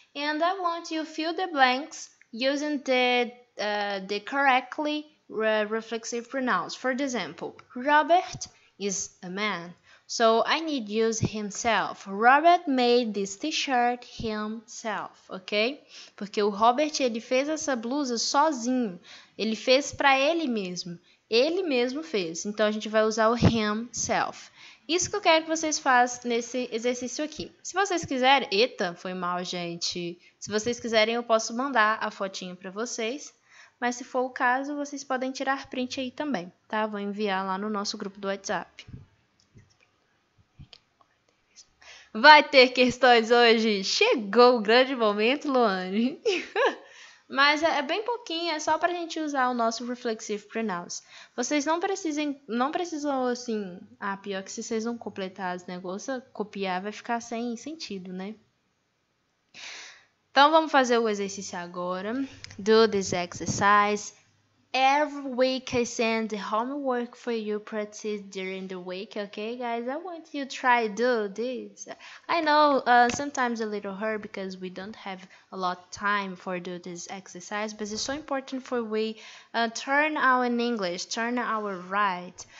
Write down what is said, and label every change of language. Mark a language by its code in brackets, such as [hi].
[en] And I want you to fill the blanks using the correctly reflexive pronouns. For example, Robert is a man, So, I need use himself. Robert made this t-shirt himself, ok? [pt] Porque o Robert, ele fez essa blusa sozinho. Ele fez pra ele mesmo. Ele mesmo fez. Então, a gente vai usar o himself. Isso que eu quero que vocês façam nesse exercício aqui. Se vocês quiserem... Eita, foi mal, gente. Se vocês quiserem, eu posso mandar a fotinho pra vocês. Mas se for o caso, vocês podem tirar print aí também, tá? Vou enviar lá no nosso grupo do WhatsApp. Vai ter questões hoje? Chegou o grande momento, Luane. Mas é bem pouquinho, é só pra gente usar o nosso [en] reflexive pronouns. [pt] Vocês não precisam assim... Ah, pior que se vocês não completar os negócios, copiar vai ficar sem sentido, né? Então, vamos fazer o exercício agora. [en] Do this exercise. Every week I send the homework for you practice during the week, okay, guys? I want you to try do this. I know sometimes a little hard because we don't have a lot of time for do this exercise, but it's so important for we turn our English, turn our right.